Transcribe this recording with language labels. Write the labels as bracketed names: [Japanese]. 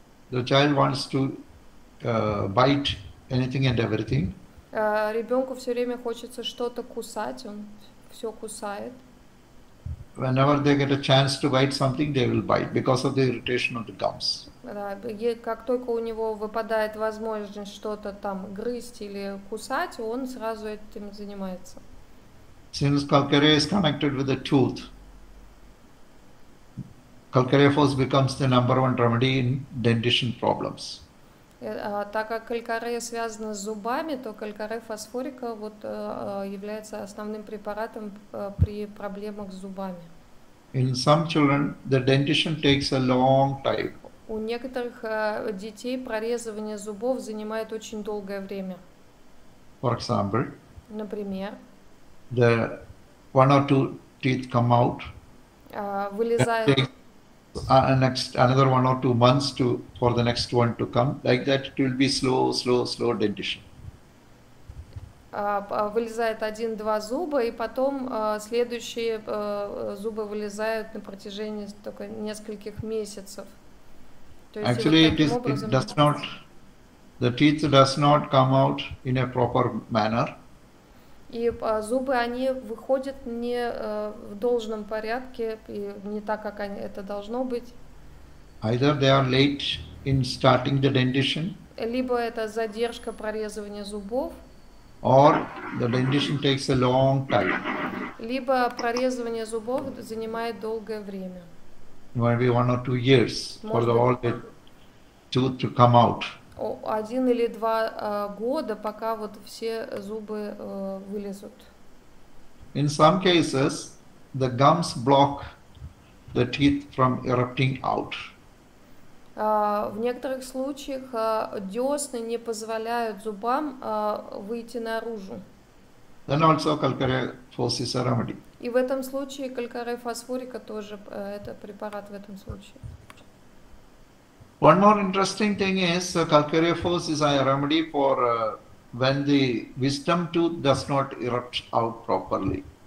[English] The child wants to bite anything and everything. [Russian] Ребенку все время хочется что-то кусать, он все кусает. [English] Whenever they get a chance to bite something, they will bite because of the irritation of the gums. [Russian] Да, как только у него выпадает возможность что-то там грызть или кусать, он сразу этим занимается. [English] Since calcarea is connected with the tooth, calcareous becomes the number one remedy in dentition problems. [Russian] Так как калькарея связана с зубами, то калькарея фосфорика вот является основным препаратом при проблемах с зубами. [English] In some children, the dentition takes a long time. [Russian] У некоторых детей прорезывание зубов занимает очень долгое время. [English] For example, [Russian] например, [English] the one or two teeth come out, [Russian] вылезает. [English] Another one or two months to for the next one to come. Like that, it will be slow dentition. [Russian] Вылезает один-два зуба, и потом следующие зубы вылезают на протяжении только нескольких месяцев. [English] Actually, it does not. The teeth does not come out in a proper manner. [Russian] И зубы, они выходят не в должном порядке, и не так, как они, это должно быть. [English] Either they are late in starting the dentition. [Russian] Либо это задержка прорезывания зубов. [English] Or the dentition takes a long time. [Russian] Либо прорезывание зубов занимает долгое время. [English] Maybe one or two years for all the tooth to come out. [Russian] Один или два года, пока вот все зубы вылезут. [English] In some cases, the gums block the teeth from erupting out. [Russian] В некоторых случаях десны не позволяют зубам выйти наружу. [English] Then also calcarea fossa remedy. [Russian] И в этом случае калькарея фосфорика тоже это препарат в этом случае. [English] One more interesting thing is calcarea fossa is a remedy for when the wisdom tooth does not erupt out properly.